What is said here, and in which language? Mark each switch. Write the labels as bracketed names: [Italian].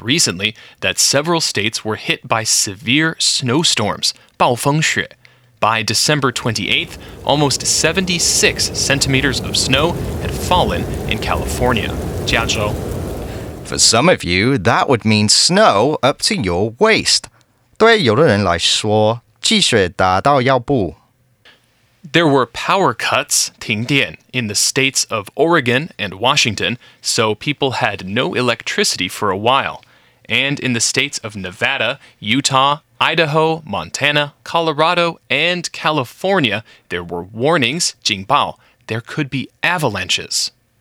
[English] recently, that several states were hit by severe snowstorms, 暴风雪. By December 28th, almost 76 centimeters of snow had fallen in California. 加州. For some of you, that would mean snow up to your waist. [Chinese] 对有的人来说,积雪达到腰部。 [English] There were power cuts, 停电, in the states of Oregon and Washington, so people had no electricity for a while. And in the states of Nevada, Utah, Idaho, Montana, Colorado, and California, there were warnings, 警报, there could be avalanches.